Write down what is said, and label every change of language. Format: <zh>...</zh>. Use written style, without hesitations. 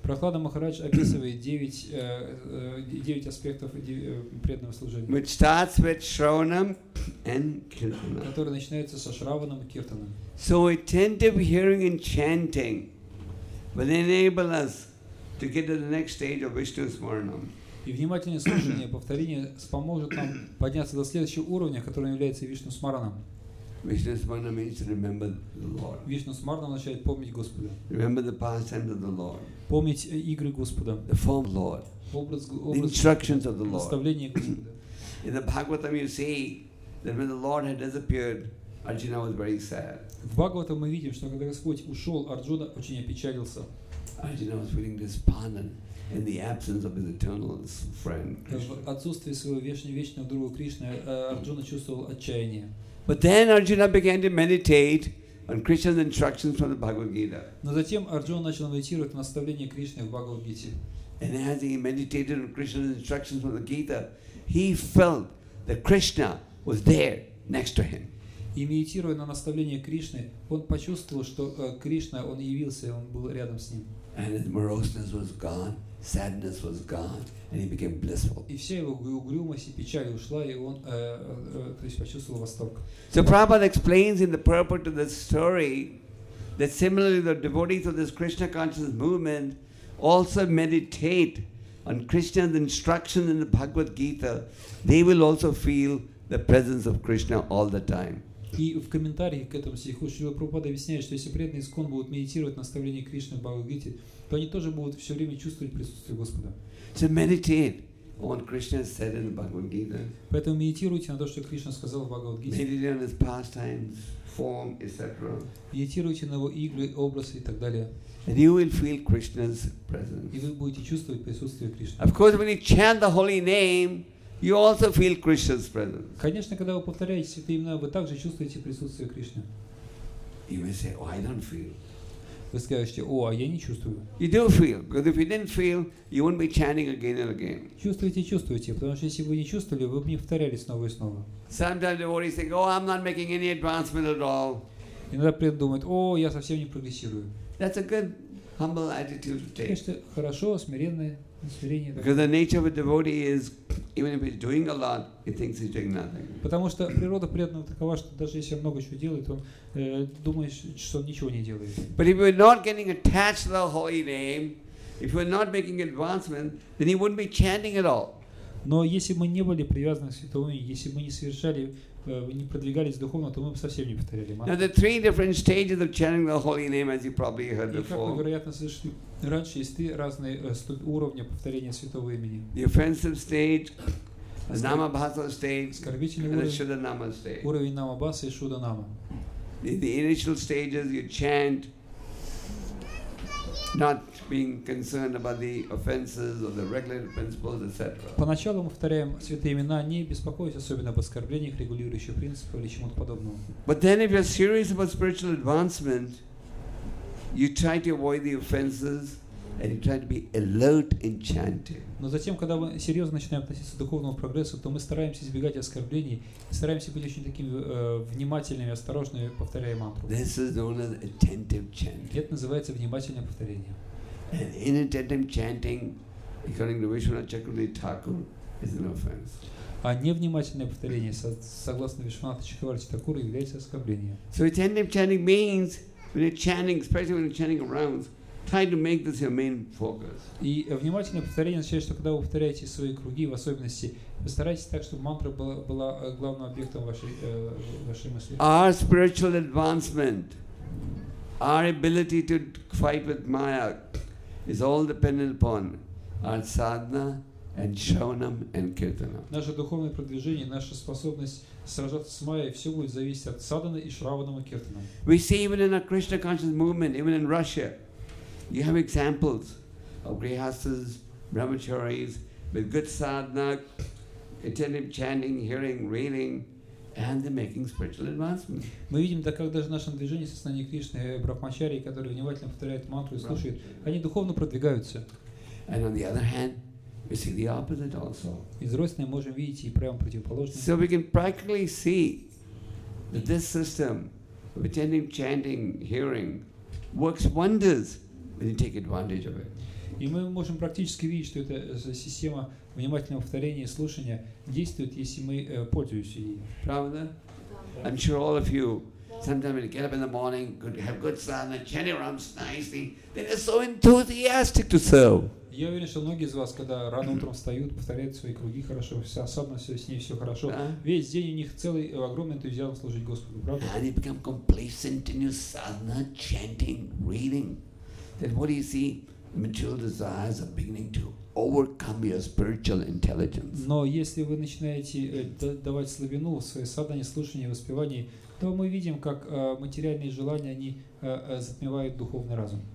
<ru>Прохлада Махарадж описывает девять аспектов преданного служения.</ru> <en>Which starts with Shravanam and Kirtanam.</en> <ru>Который начинается со Шраванам и Киртанам.</ru> <en>So attentive hearing and chanting will enable us to get to the next stage of Vishnu Smaranam.</en> <ru>И внимательное слушание, повторение поможет нам подняться до следующего уровня, который является Вишну Смаранам.</ru> <en>Vishnu Smaranam means to remember the Lord.</en> <ru>Vishnu Smaranam означает помнить Господа.</ru> <en>Remember the pastimes of the Lord.</en> <ru>Помнить игры Господа.</ru> <en>The form of the Lord.</en> <ru>Образ</ru> <en>the instructions of the Lord.</en> <ru>Наставление Господа.</ru> <en>In the Bhagavatam you see that when the Lord had disappeared, Arjuna was very sad.</en> <ru>В Бхагаватам мы видим, что когда Господь ушел, Арджуна очень опечалился.</ru> <en>Arjuna was feeling despondent in the absence of his eternal friend Krishna.</en> <ru>В отсутствии своего вечного друга Кришны Арджуна чувствовал отчаяние.</ru> <en>But then Arjuna began to meditate on Krishna's instructions from the Bhagavad Gita.</en> <ru>Но затем Арджуна начал медитировать на наставления Кришны в Бхагавад Гите.</ru> <en>And as he meditated on Krishna's instructions from the Gita, he felt that Krishna was there next to him.</en> <ru>И медитируя на наставления Кришны, он почувствовал, что Кришна, он явился, он был рядом с ним.</ru> <en>And his moroseness was gone, sadness was gone, and he became blissful.</en> <ru>И вся его угрюмость и печаль ушла, и он почувствовал восторг.</ru> <en>So Prabhupada explains in the purport of this story that similarly the devotees of this Krishna consciousness movement also meditate on Krishna's instruction in the Bhagavad Gita, they will also feel the presence of Krishna all the time.</en> <ru>И в комментарии к этому стиху Шрила Прабхупада объясняет, что если преданные искон будут медитировать на наставление Кришны в Бхагавад-гите, то они тоже будут все время чувствовать присутствие Господа.</ru> <en>So meditate on Krishna said in the Bhagavad-gita.</en> <ru>Поэтому медитируйте на то, что Кришна сказал в Бхагавад-гите.</ru> <en>Meditate on his pastimes, form, etc.</en> <ru>Медитируйте на его игры, образы и так далее.</ru> <en>And you will feel Krishna's presence.</en> <ru>И вы будете чувствовать присутствие Кришны.</ru> <en>Of course, when you chant the holy name, you also feel Krishna's presence.</en> <ru>Конечно, когда вы повторяете святые имена, вы также чувствуете присутствие Кришны.</ru> <en>You may say, "Oh, I don't feel."</en> <ru>Вы скажете, "О, а я не чувствую."</ru> <en>You do feel, because if you didn't feel, you wouldn't be chanting again and again.</en> <ru>Чувствуете, чувствуете, потому что если бы вы не чувствовали, вы бы не повторяли снова и снова.</ru> <en>Sometimes devotees think, "Oh, I'm not making any advancement at all."</en> <ru>Иногда преданные думают, "О, я совсем не прогрессирую."</ru> <en>That's a good, humble attitude to take.</en> <ru>Конечно, хорошо, смиренное.</ru> <en>Because the nature of a devotee is, even if he's doing a lot, he thinks he's doing nothing.</en> <ru>Потому что природа преданного такова, что даже если он много чего делает, он думает, что он ничего не делает.</ru> <en>But if you're not getting attached to the holy name, if you're not making advancement, then he wouldn't be chanting at all.</en> <ru>Но если мы не были привязаны к святому имени, если мы не совершали, не продвигались духовно, то мы бы совсем не повторяли.</ru> <en>Now there are three different stages of chanting the holy name, as you probably heard before.</en> <ru>И как вы, вероятно, слышали раньше, есть три разные уровня повторения святого имени.</ru> <en>The offensive stage, the Namabhasa stage, and the Shuddhanama stage.</en> <ru>Уровень Намабаса и Шуддханама.</ru> <en>In the initial stages, you chant not being concerned about the offenses or the regulated principles, etc.</en> <ru>Поначалу мы повторяем святые имена, не беспокоясь особенно об оскорблениях, регулирующих принципов или чему-то подобному.</ru> <en>But then, if you're serious about spiritual advancement, you try to avoid the offenses. And you try to be alert in chanting.</en> <ru>Но затем, когда мы серьезно начинаем относиться к духовному прогрессу, то мы стараемся избегать оскорблений, стараемся быть очень такими внимательными, осторожными, повторяя мантру.</ru> <en>This is known as attentive chanting.</en> <ru>Это называется внимательное повторение.</ru> <en>And inattentive chanting, according to Vishwanath Chakravarti Thakur, is an offense.</en> <ru>А невнимательное повторение, согласно Вишванатхи Чакраварти Такур, является оскорблением.</ru> <en>So attentive chanting means when you're chanting, especially when you're chanting around. Try to make this your main focus.</en> <ru>И внимательное повторение означает, что когда вы повторяете свои круги, в особенности, постарайтесь так, чтобы мантра была главным объектом вашей мысли.</ru> <en>Our spiritual advancement, our ability to fight with Maya, is all dependent upon our sadhana and shravanam and kirtanam.</en> <ru>Наше духовное продвижение, наша способность сражаться с Майей, все будет зависеть от садханы и шраванам и киртанам.</ru> <en>We see even in our Krishna conscious movement, even in Russia. You have examples of grihasthas, brahmacharis with good sadhana, attentive chanting, hearing, reading, and they're making spiritual advancement.</en> <ru>Мы видим, да, как даже в нашем движении сознание Кришны, брахмачарии, которые внимательно повторяют мантру и слушают, они духовно продвигаются.</ru> <en>And on the other hand, we see the opposite also.</en> <ru>Изрозненно можем видеть и прямо противоположное.</ru> <en>So we can practically see that this system of attentive chanting, hearing, works wonders. And take advantage of it.</en> <ru>И мы можем практически видеть, что эта система внимательного повторения и слушания действует, если мы пользуемся ей. Правда?</ru> <en>I'm sure all of you sometimes get up in the morning, have good sadhana, chanting rounds nicely, then you're so enthusiastic to serve.</en> <ru>Я уверен, что многие из вас, когда рано утром встают, повторяют свои круги хорошо, вся садхана, все с ней все хорошо. Весь день у них целый огромный энтузиазм служить Господу, правда?</ru> <en>And you become complacent in your sadhana, chanting, reading. Then what do you see? Material desires are beginning to overcome your spiritual intelligence.</en> <ru>Но если вы начинаете давать слабину в своей садхане, слушании, воспевании, то мы видим, как материальные желания они затмевают духовный разум.</ru>